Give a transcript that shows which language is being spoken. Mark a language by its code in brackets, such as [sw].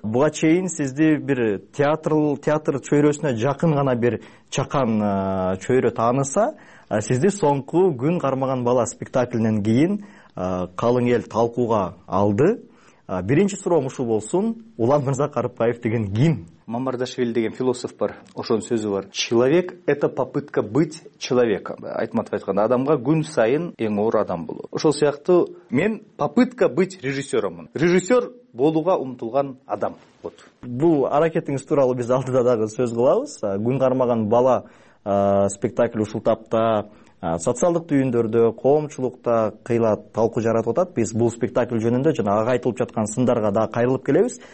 [ky] Буга чейин сизди бир театр чөйрөсүнө жакын гана бир чакан чөйрө тааныса, сизди соңку Күн кармаган бала спектаклинен кийин калың эл талкууга алды. Биринчи суроом ушул болсун: Улан Мырза Карыпбаев деген ким? Мамардашвили деген философ бар, ошонун сөзү бар. [ru] Человек — это попытка быть человеком. [ky] Айтматов айтканда, адамга күн сайын эң оор адам болуу. Ошол сыяктуу, мен [ru] попытка быть режиссёромун. [ky] Режиссёр болууга умтулган адам. [ru] Вот. [ky] Бул аракетиңиз тууралуу биз алдыда дагы сөз кылабыз. Күн кармаган бала спектакль ушул тапта социалдык түйүндөрдө, коомчулукта кыйла талкуу жаратып атат. Биз бул спектакль жөнүндө жана ага айтылып жаткан сындарга дагы кайрылып келебиз.